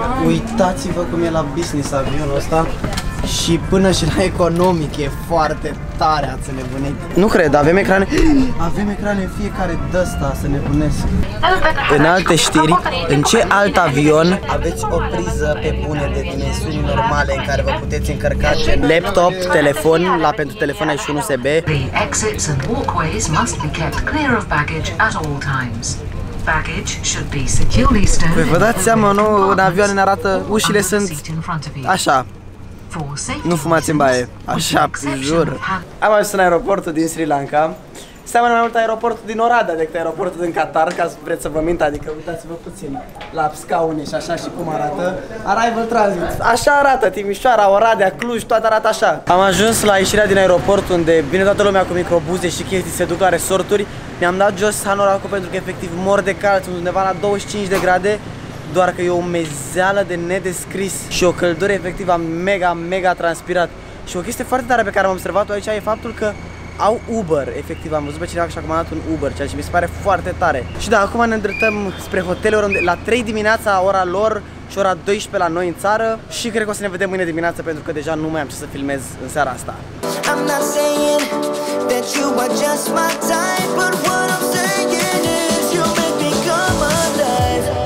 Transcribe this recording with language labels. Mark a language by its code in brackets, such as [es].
[ro] Uitați-vă cum e la business avionul ăsta. Și până și la economic e foarte tare, ați nebunit. Nu cred, avem ecrane. Avem ecrane în fiecare de-asta, să nebunesc. În alte știri, în ce alt avion aveți o priză pe bune de dimensiuni normale în care vă puteți încărca gen laptop, telefon, la pentru telefon ai și un USB. [en] Exits and walkways must be kept clear of baggage at all times. Baggage should be securely stowed. [ro] Vă dați seama, nu, în avioane ne arată ușile sunt așa. Nu fumați în baie, așa, jur. Am ajuns în aeroportul din Sri Lanka. Seamănă mai mult aeroportul din Oradea decât aeroportul din Qatar, ca să vreți să vă mint, adică uitați-vă puțin la scaune și așa și cum arată Arrival Transit. Așa arată Timișoara, Oradea, Cluj, toate arată așa. Am ajuns la ieșirea din aeroport unde vine toată lumea cu microbuze și chestii, se duc la resorturi. Mi-am dat jos hanoracul pentru că efectiv mor de cald, undeva la 25 de grade. Doar că e o mezeală de nedescris și o căldură efectiv am mega, mega transpirat. Și o chestie foarte tare pe care am observat-o aici e faptul că au Uber, efectiv. Am văzut pe cineva că și-a comandat un Uber, ceea ce mi se pare foarte tare. Și da, acum ne îndreptăm spre hoteluri unde la 3 dimineața ora lor și ora 12 la noi în țară. Și cred că o să ne vedem mâine dimineață pentru că deja nu mai am ce să filmez în seara asta. [en] I'm not saying that you are just my type, but what I'm saying is you make me come alive.